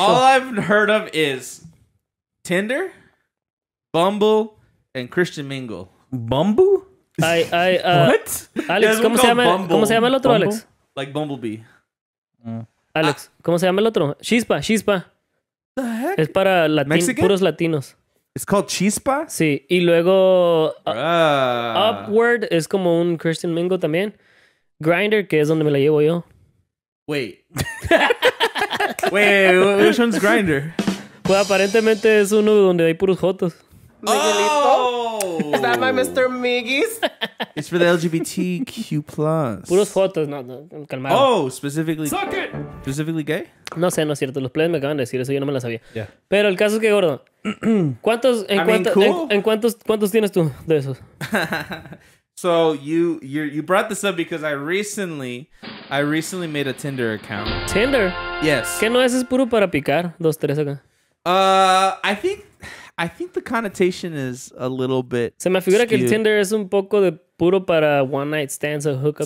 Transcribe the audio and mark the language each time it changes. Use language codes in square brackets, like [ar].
[en] All I've heard of is Tinder, Bumble, and Christian Mingle. [es] ¿Bumble? [en] What? [es] Alex, yeah, ¿cómo se llama el otro, Bumble? Alex? [en] Like Bumblebee. [es] Alex, ¿cómo se llama el otro? Chispa. [en] The heck? [es] Es para puros latinos. [en] It's called Chispa? [es] Sí, y luego Upward es como un Christian Mingle también. Grindr, que es donde me la llevo yo. [en] Wait, which one's Grindr? [es] Pues aparentemente es uno donde hay puros jotos. Miguelito. [en] Is that my Mr. Miggies? It's for the LGBTQ+. [es] Puros jotos, no, calmado. [en] Oh, specifically... Suck it! Specifically gay? [es] No sé, no es cierto. Los plebes me acaban de decir eso, yo no me la sabía. [en] Yeah. [es] Pero el caso es que, gordo, ¿cuántos tienes tú de esos? [en] So you brought this up because I recently I recently made a Tinder account. Tinder? Yes. [es] ¿Qué no es puro para picar? Dos, tres acá. [en] I think the connotation is a little bit. [es] Se me figura skewed. Que el Tinder es un poco de puro para [en] one night stands or hookups.